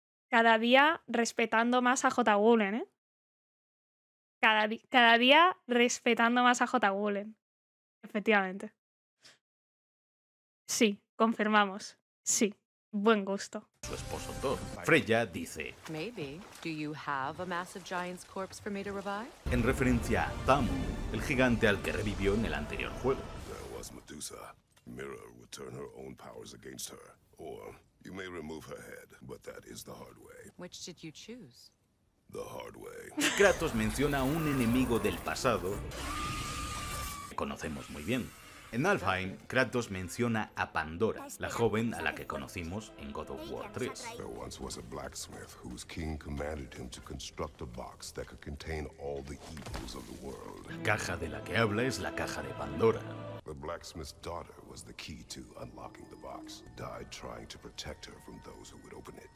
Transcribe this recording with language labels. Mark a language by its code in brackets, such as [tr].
[es] Cada día respetando más a J. Wulen, ¿eh? Cada día respetando más a J. Wulen. Efectivamente. Sí, confirmamos. Sí, buen gusto. Su esposo Thor. Freya dice: [en] Maybe. Do you have a massive giant's corpse for me to revive? [es] En referencia a Thamun, el gigante al que revivió en el anterior juego. [en] There was Medusa. Mira would turn her own powers against her. Or you may remove her head, but that is the hard way. Which did you choose? The hard way. [es] Kratos menciona a un enemigo del pasado que conocemos muy bien. En Alfheim, Kratos menciona a Pandora, la joven a la que conocimos en God of War 3. [en] There once was a blacksmith whose king commanded him to construct a box that could contain all the evils of the world. [es] La caja de la que habla es la caja de Pandora. [en] The blacksmith's daughter was the key to unlocking the box, died trying to protect her from those who would open it.